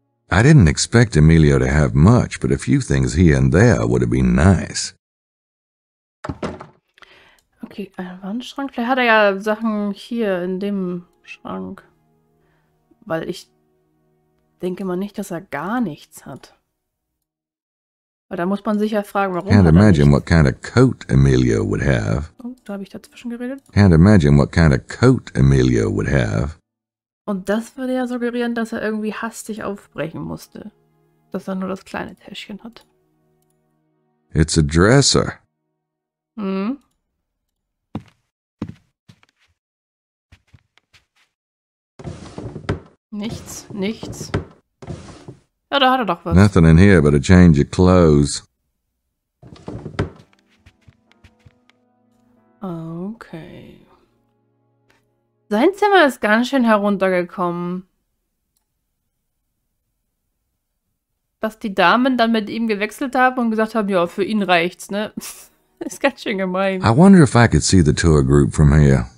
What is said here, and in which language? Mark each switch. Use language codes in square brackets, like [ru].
[en] I didn't expect Emilio to have much, but a few things here and there would have been nice. [de] Okay, ein Wandschrank. Vielleicht hat er ja Sachen hier in dem Schrank. Weil ich denke mal nicht, dass er gar nichts hat. Aber da muss man sich ja fragen, warum. [en] Can't imagine what kind of coat Emilio would have. [de] Oh, da habe ich dazwischen geredet. [en] Can't imagine what kind of coat Emilio would have. [de] Und das würde ja suggerieren, dass er irgendwie hastig aufbrechen musste. Dass er nur das kleine Täschchen hat. [en] It's a dresser. [de] Nichts, nichts. Ja, da hat er doch was. [en] Nothing in here but a change of clothes. [de] Okay. Sein Zimmer ist ganz schön heruntergekommen. was die Damen dann mit ihm gewechselt haben und gesagt haben, ja, für ihn reicht's, ne? Ist ganz schön gemein. [en] I wonder if I could see the tour group from here.